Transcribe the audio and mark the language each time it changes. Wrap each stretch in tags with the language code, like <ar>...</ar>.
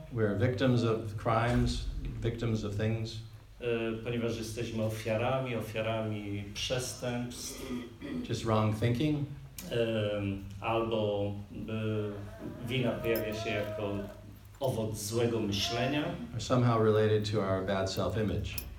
<en>We're victims of crimes, victims of things.</en> <pl>Ponieważ jesteśmy ofiarami przestępstw,</pl> <en>just wrong thinking,</en> <pl>albo wina pojawia się jako owoc złego myślenia,</pl> <en>or somehow related to our bad self-image,</en>